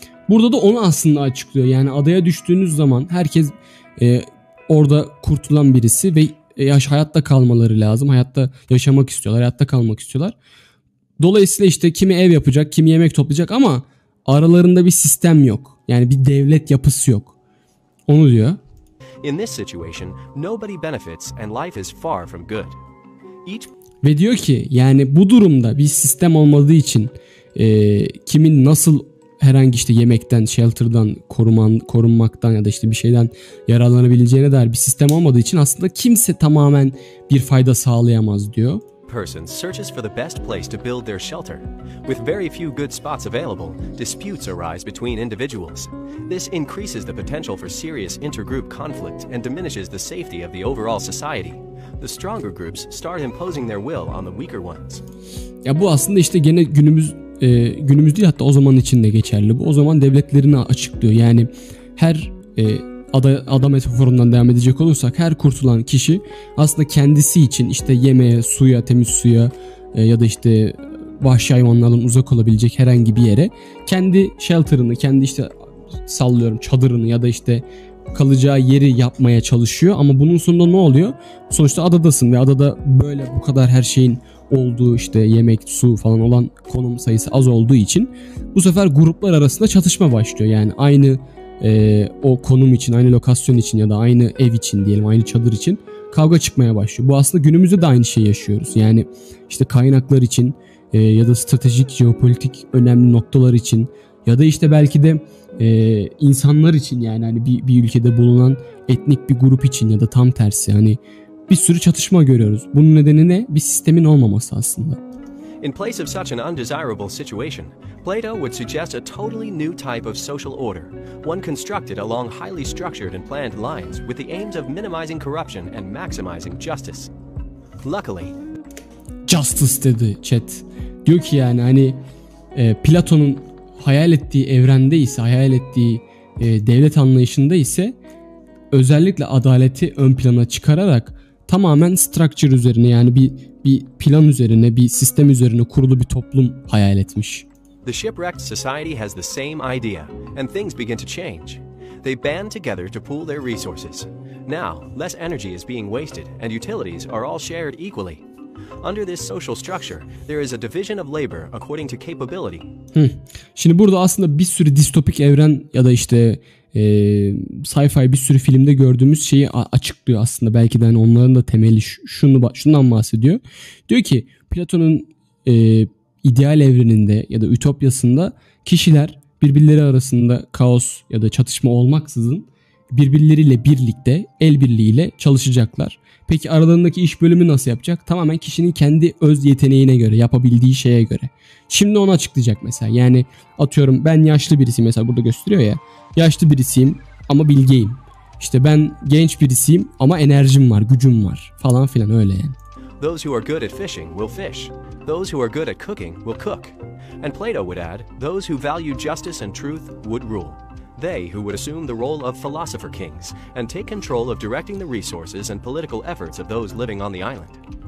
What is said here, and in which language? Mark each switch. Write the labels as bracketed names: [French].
[Turkish] Burada da onu aslında açıklıyor. Yani adaya düştüğünüz zaman herkes orada kurtulan birisi ve hayatta kalmaları lazım. Hayatta yaşamak istiyorlar, hayatta kalmak istiyorlar. Dolayısıyla işte kimi ev yapacak, kimi yemek toplayacak ama aralarında bir sistem yok. Yani bir devlet yapısı yok. Onu diyor. [English] In this situation, nobody benefits and life is far from good. [Turkish] Ve diyor ki yani bu durumda bir sistem olmadığı için kimin nasıl herhangi işte yemekten, shelter'dan korunmaktan ya da işte bir şeyden yararlanabileceğine dair bir sistem olmadığı için aslında kimse tamamen bir fayda sağlayamaz diyor. [English] Person searches for the best place to build their shelter. With very few good spots available, disputes arise between individuals. This increases the potential for serious intergroup conflict and diminishes the safety of the overall society. The stronger groups start imposing their will on the weaker ones. [Turkish] Ya bu aslında işte gene günümüz değil hatta o zaman için de geçerli. Bu o zaman devletlerini açıklıyor. Yani her adam metaforundan devam edecek olursak her kurtulan kişi aslında kendisi için işte yemeğe, suya, temiz suya ya da işte vahşi hayvanlardan uzak olabilecek herhangi bir yere kendi shelter'ını, kendi işte sallıyorum çadırını ya da işte kalacağı yeri yapmaya çalışıyor. Ama bunun sonunda ne oluyor? Sonuçta adadasın ve adada böyle bu kadar her şeyin olduğu işte yemek, su falan olan konum sayısı az olduğu için bu sefer gruplar arasında çatışma başlıyor. Yani aynı o konum için, aynı lokasyon için ya da aynı ev için diyelim, aynı çadır için kavga çıkmaya başlıyor. Bu aslında günümüzde de aynı şeyi yaşıyoruz. Yani işte kaynaklar için ya da stratejik, jeopolitik önemli noktalar için ya da işte belki de insanlar için yani hani bir ülkede bulunan etnik bir grup için ya da tam tersi hani bir sürü çatışma görüyoruz. Bunun nedeni ne? Bir sistemin olmaması aslında. [English] In place of such an undesirable situation, Plato would suggest a totally new type of social order, one constructed along highly structured and planned lines with the aims of minimizing corruption and maximizing justice. Luckily, [Turkish] justice dedi chat. Diyor ki yani hani Platon'un hayal ettiği evrende ise, hayal ettiği devlet anlayışında ise özellikle adaleti ön plana çıkararak tamamen structure üzerine yani bir plan üzerine, bir sistem üzerine kurulu bir toplum hayal etmiş. [English] The shipwrecked society has the same idea and things begin to change. They band together to pool their resources. Now, less energy is being wasted and utilities are all shared equally. Under this social structure, there is a division of labor according to capability. [Turkish] Şimdi burada aslında bir sürü distopik evren ya da işte sci-fi bir sürü filmde gördüğümüz şeyi açıklıyor aslında. Belki de hani onların da temeli şundan bahsediyor. Diyor ki Platon'un ideal evreninde ya da ütopyasında kişiler birbirleri arasında kaos ya da çatışma olmaksızın birbirleriyle birlikte el birliğiyle çalışacaklar. Peki aralarındaki iş bölümü nasıl yapacak? Tamamen kişinin kendi öz yeteneğine göre, yapabildiği şeye göre. Şimdi onu açıklayacak mesela. Yani atıyorum ben yaşlı birisiyim mesela burada gösteriyor ya. Yaşlı birisiyim ama bilgeyim. İşte ben genç birisiyim ama enerjim var, gücüm var falan filan öyle yani. [English] Those who are good at fishing will fish. Those who are good at cooking will cook. And Plato would add, those who value justice and truth would rule. They who would assume the role of philosopher kings and take control of directing the resources and political efforts of those living on the island.